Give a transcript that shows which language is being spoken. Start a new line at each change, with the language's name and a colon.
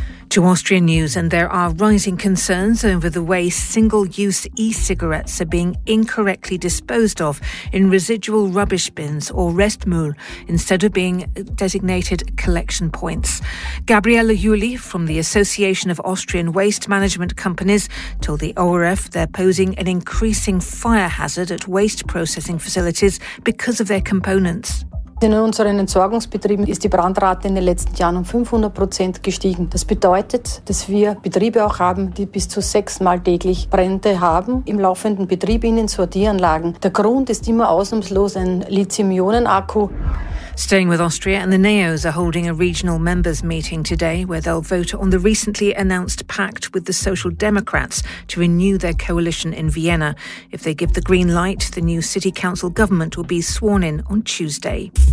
English: To Austrian news, and there are rising concerns over the way single-use e-cigarettes are being incorrectly disposed of in residual rubbish bins or Restmüll instead of being designated collection points. Gabriele Juli from the Association of Austrian Waste Management Companies told the ORF they're posing an increasing fire hazard at waste processing facilities because of their components.
German: In unseren Entsorgungsbetrieben ist die Brandrate in den letzten Jahren um 500% gestiegen. Das bedeutet, dass wir Betriebe auch haben, die bis zu 6-mal täglich Brände haben im laufenden Betrieb in den Sortieranlagen. Der Grund ist immer ausnahmslos ein Lithium-Ionen-Akku.
English: Staying with Austria, and the NEOs are holding a regional members meeting today where they'll vote on the recently announced pact with the Social Democrats to renew their coalition in Vienna. If they give the green light, the new city council government will be sworn in on Tuesday.